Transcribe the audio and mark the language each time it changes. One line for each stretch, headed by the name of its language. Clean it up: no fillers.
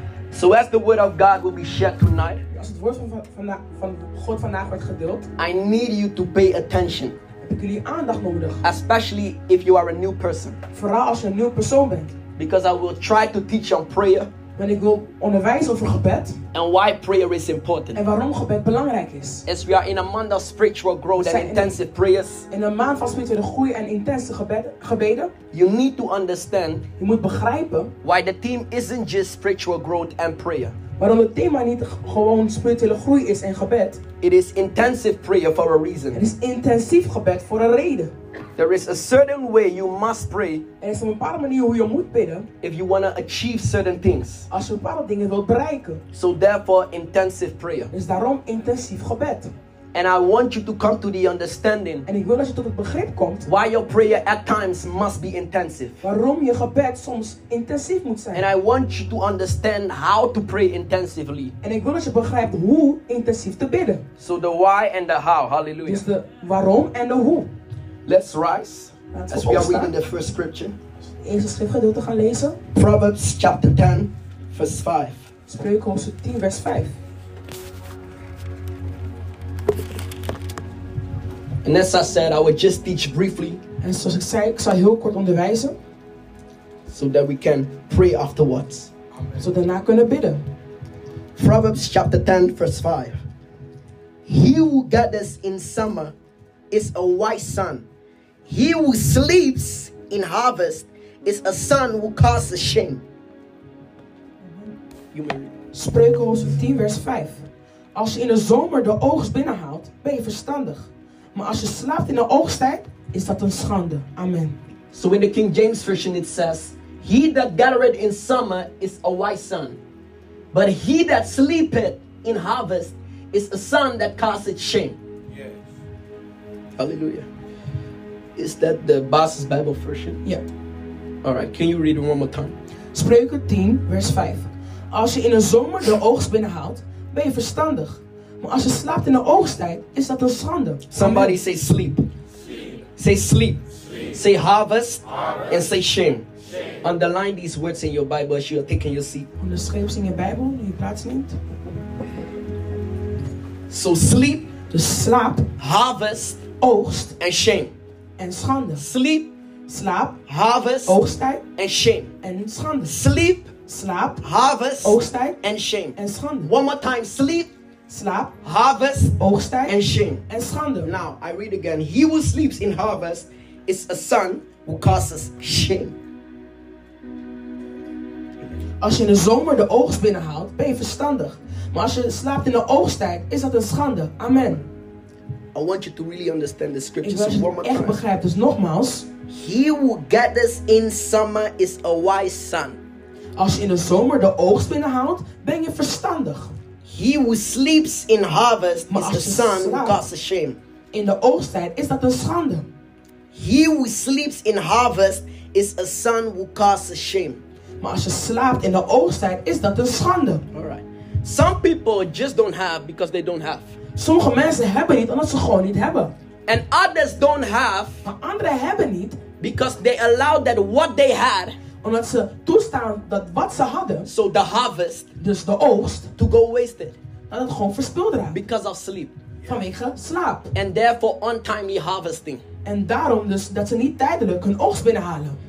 English: So as the word of God will be shared tonight,
Dutch: als het woord van God vandaag wordt gedeeld,
English: I need you to pay attention.
Dutch: Heb ik jullie aandacht nodig?
English: Especially if you are a new person.
Dutch: Vooral als je een nieuwe persoon bent.
English: Because I will try to teach on prayer.
Dutch: Want ik wil onderwijzen over gebed.
English: And why prayer is important.
Dutch: En waarom gebed belangrijk is.
English: As we are in a month of spiritual growth and intensive prayers.
Dutch: In een maand van spirituele groei en intense gebeden.
English: You need to understand.
Dutch: Je moet begrijpen.
English: Why the theme isn't just spiritual growth and prayer.
Dutch: Waarom het thema niet gewoon spirituele groei is en gebed.
English: It is intensive prayer for a reason.
Dutch: Het is intensief gebed voor een reden.
English: There is a certain way you must pray.
Dutch: Er is een bepaalde manier hoe je moet bidden.
English: If you want to achieve certain things.
Dutch: Als je bepaalde dingen wilt bereiken.
English: So therefore intensive prayer.
Dutch: Dus daarom intensief gebed.
English: And I want you to come to the understanding.
Dutch: En ik wil dat je tot het begrip komt.
English: Why your prayer at times must be intensive.
Dutch: Waarom je gebed soms intensief moet zijn.
English: And I want you to understand how to pray intensively.
Dutch: En ik wil dat je begrijpt hoe intensief te bidden.
English: So the why and the how. Hallelujah.
Dutch: Dus de waarom en de hoe.
English: Let's rise as we are reading the first scripture.
Dutch: Eerste schriftgedeelte gaan lezen.
English: Proverbs chapter 10, verse 5.
Dutch: Spreuken 10, vers 5.
English: And as I said, I would just teach briefly.
Dutch: En zoals ik zei, ik zal heel kort onderwijzen.
English: So that we can pray afterwards.
Dutch: Zo daarna kunnen bidden.
English: Proverbs chapter 10, verse 5. He who gathers in summer is a wise son. He who sleeps in harvest is a son who causes shame.
Dutch: Spreuken 10 vers 5. Als je in de zomer de oogst binnenhaalt, ben je verstandig. Maar als je slaapt in de oogsttijd, is dat een schande.
English: Amen. So in the King James version it says, he that gathereth in summer is a wise son. But he that sleepeth in harvest is a son that causes shame. Yes. Hallelujah. Is that the Basis Bible version? Yeah. Alright, can you read it one more time?
Dutch: Spreuken 10, vers 5. Als je in de zomer de oogst binnenhaalt, ben je verstandig. Maar als je slaapt in de oogsttijd, is dat een schande.
English: Somebody say sleep. Sleep. Say sleep. Sleep. Say harvest. Harvest. And say shame. Shame. Underline these words in your Bible as you are taking your seat.
Dutch: Onderschrijf ze in je Bijbel, in je plaatsneemt.
English: So sleep.
Dutch: Dus slaap.
English: Harvest.
Dutch: Oogst.
English: And shame.
Dutch: En schande.
English: Sleep.
Dutch: Slaap.
English: Harvest.
Dutch: Oogsttijd.
English: And shame.
Dutch: En schande.
English: Sleep.
Dutch: Slaap.
English: Harvest.
Dutch: Oogsttijd.
English: And shame.
Dutch: En schande.
English: One more time. Sleep.
Dutch: Slaap.
English: Harvest.
Dutch: Oogsttijd.
English: And shame.
Dutch: En schande.
English: Now, I read again. He who sleeps in harvest is a son who causes shame.
Dutch: Als je in de zomer de oogst binnenhaalt, ben je verstandig. Maar als je slaapt in de oogsttijd, is dat een schande.
English: Amen. I want you to really understand the scriptures.
Dutch: Ik wil je echt begrijpen. Dus nogmaals.
English: He who gathers in summer is a wise son.
Dutch: Als je in de zomer de oogst binnenhaalt, ben je verstandig.
English: He who sleeps in harvest is the son who causes shame.
Dutch: In de oogsttijd is dat een schande.
English: He who sleeps in harvest is a son who causes shame.
Dutch: Maar als je slaapt in de oogsttijd is dat een schande.
English: Alright. Some people just don't have because they don't have.
Dutch: Sommige mensen hebben niet omdat ze gewoon niet hebben.
English: And others don't have.
Dutch: Maar anderen hebben niet.
English: Because they allow that what they had.
Dutch: Omdat ze toestaan dat wat ze hadden.
English: So the harvest.
Dutch: Dus de oogst.
English: To go wasted.
Dutch: Dat het gewoon verspild raakt.
English: Because of sleep.
Dutch: Vanwege slaap.
English: And therefore untimely harvesting.
Dutch: En daarom dus dat ze niet tijdelijk hun oogst binnenhalen.